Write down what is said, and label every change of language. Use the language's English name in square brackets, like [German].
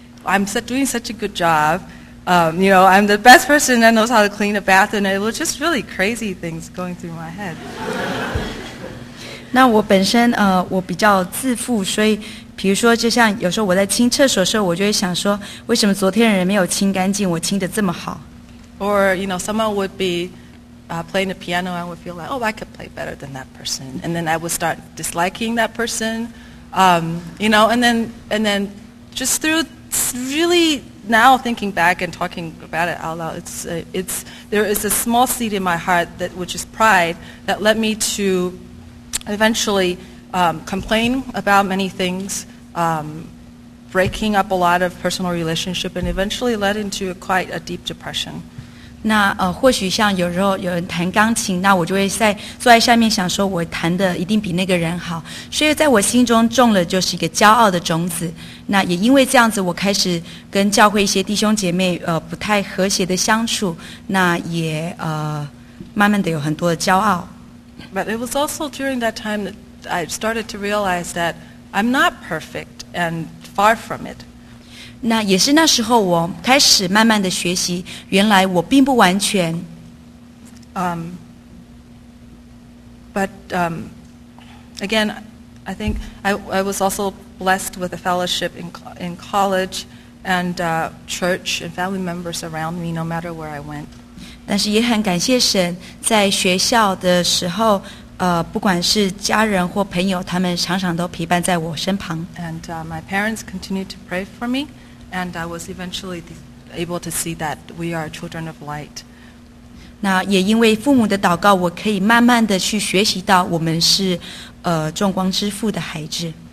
[English] I'm doing such a good job. You know, I'm the best person that knows how to clean a bath, and it was just really crazy things going through my head. [Chinese] 那我本身我比较自负，所以比如说，就像有时候我在清厕所的时候，我就会想说，为什么昨天人没有清干净，我清得这么好 [English] ？Or you know, someone would be playing the piano, and would feel like, oh, I could play better than that person, and then I would start disliking that person. You know, and then just through really. Now thinking back and talking about it out loud, it's there is a small seed in my heart that which is pride that led me to eventually complain about many things, breaking up a lot of personal relationship, and eventually led into quite a deep depression. [Chinese] 那或许像有时候有人弹钢琴，那我就会在坐在下面想说，我弹的一定比那个人好，所以在我心中种了就是一个骄傲的种子。那也因为这样子，我开始跟教会一些弟兄姐妹不太和谐的相处，那也慢慢的有很多的骄傲。 [English] But it was also during that time that I started to realize that I'm not perfect and far from it. [Chinese] 那也是那时候我开始慢慢的学习，原来我并不完全。 [English] Again, I think I was also blessed with a fellowship in college and church and family members around me no matter where I went. [Chinese] 但是也很感谢神，在学校的时候，不管是家人或朋友，他们常常都陪伴在我身旁。 [English] And my parents continued to pray for me, and I was eventually able to see that we are children of light. [Chinese] 那也因为父母的祷告，我可以慢慢的去学习到我们是众光之父的孩子。